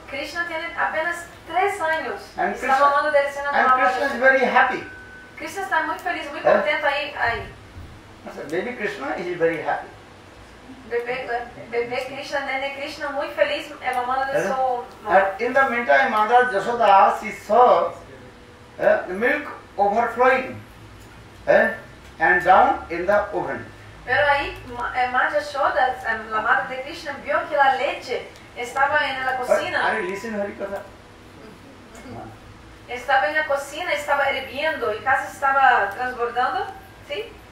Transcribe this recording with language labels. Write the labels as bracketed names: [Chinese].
[Spanish] Krishna tiene apenas 3 años, and está Krishna, mamando del seno de [English] Madre Yashoda. And Krishna is very happy. [Spanish] Krishna está muy feliz, muy contento ahí. [English] Baby Krishna is very happy. [Spanish] Bebé Krishna, nene Krishna, muy feliz, mamando de su mamá. [English] In the meantime, Mother Yashoda, she saw milk overflowing and down in the oven. [Spanish] Pero ahí, Mother Yashoda, la madre de Krishna, vio que la leche estaba en la cocina. [English] Are you listening, Harikatha? [Spanish] Estaba en la cocina, estaba hirviendo y casi estaba transbordando, ¿sí?